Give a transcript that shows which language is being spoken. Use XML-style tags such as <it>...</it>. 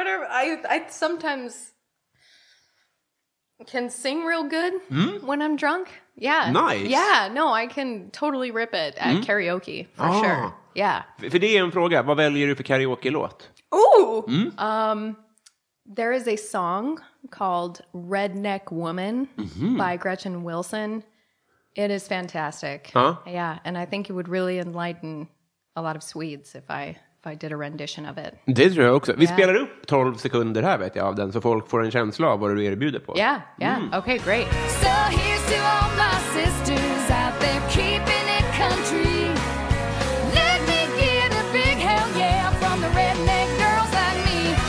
<en>I sometimes can sing real good when I'm drunk. Yeah. Nice. Yeah, no, I can totally rip it at karaoke for sure. Yeah.</en> <sv>För det är en fråga, vad väljer du för karaoke-låt? Ooh. Mm.</sv> <en>There is a song called Redneck Woman by Gretchen Wilson. It is fantastic. Huh? Yeah, and I think it would really enlighten a lot of Swedes if I did a rendition of it.</en> <sv>Det tror jag också. Vi spelar upp 12 sekunder här, vet jag, av den, så folk får en känsla av vad du erbjuder på.</sv> <en>Yeah, yeah. Mm. Okay, great. So here's to all my sisters out there keeping it country. Let me get a big hell yeah from the redneck girls like me.</en>